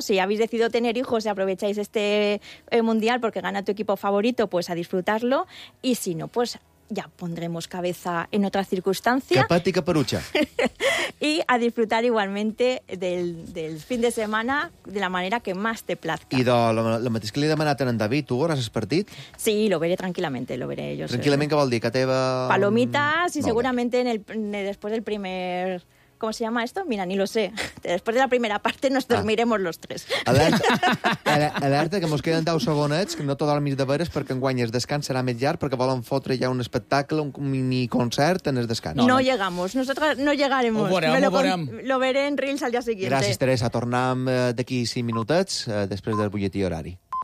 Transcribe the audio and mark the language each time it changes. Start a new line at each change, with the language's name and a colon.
Spanish: Si habéis decidido tener hijos y aprovecháis este Mundial porque gana tu equipo favorito, pues a disfrutarlo, y si no, pues ya pondremos cabeza en otra circunstancia. Capat y caperucha. Y a disfrutar igualmente del fin de semana de la manera que más te plazca.
Catalan: I lo mateix que li he demanat a en David, tu veuràs el partit?
Spanish: Sí, lo veré tranquil·lament, lo veré jo.
Catalan: Tranquil·lament, què vol dir? Que teva...
Spanish: Palomitas y seguramente después del primer... ¿Cómo se llama esto? Mira, ni lo sé. Después de la primera parte nos dormiremos los tres.
Catalan: Alerta, que mos queden 10 segonets, que no t'ho dormis de veres perquè enguany el descans serà més llarg, perquè volen fotre ja un espectacle, un mini concert en el descans.
Spanish: No, no, no. Llegamos. Nosotros no llegaremos.
Catalan: Ho veurem.
Spanish: Lo veré en Reels al dia siguiente.
Catalan: Gràcies, Teresa. Tornem d'aquí 5 minutets, després del butlletí horari.